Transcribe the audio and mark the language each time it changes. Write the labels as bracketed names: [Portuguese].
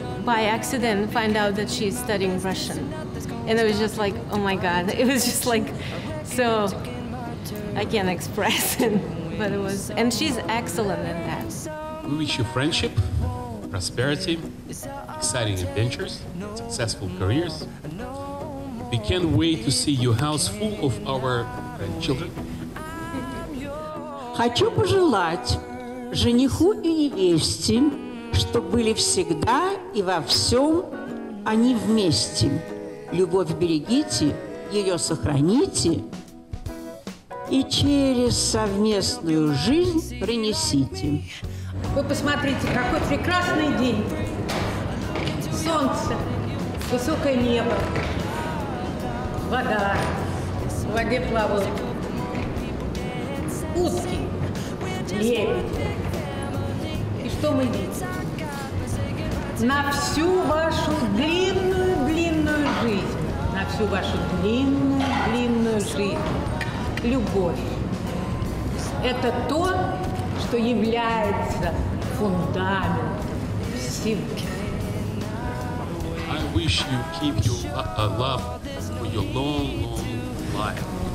[English] By accident, find out that she's studying Russian. And it was just like, oh my God, it was just like, so I can't express it, but it was, and she's excellent in that. We wish you friendship, prosperity, exciting adventures, successful careers. We can't wait to see your house full of our grandchildren. [Russian] Хочу пожелать жениху и невесте, чтоб были всегда и во всем они вместе. Любовь берегите, ее сохраните. И через совместную жизнь принесите. Вы посмотрите, какой прекрасный день. Солнце, высокое небо, вода, в воде плавают утки, лебедь. И что мы видим? На всю вашу длинную-длинную жизнь. На всю вашу длинную-длинную жизнь. Любовь – это то, что является фундаментом всего. [English] I wish you keep your love for your long, long life.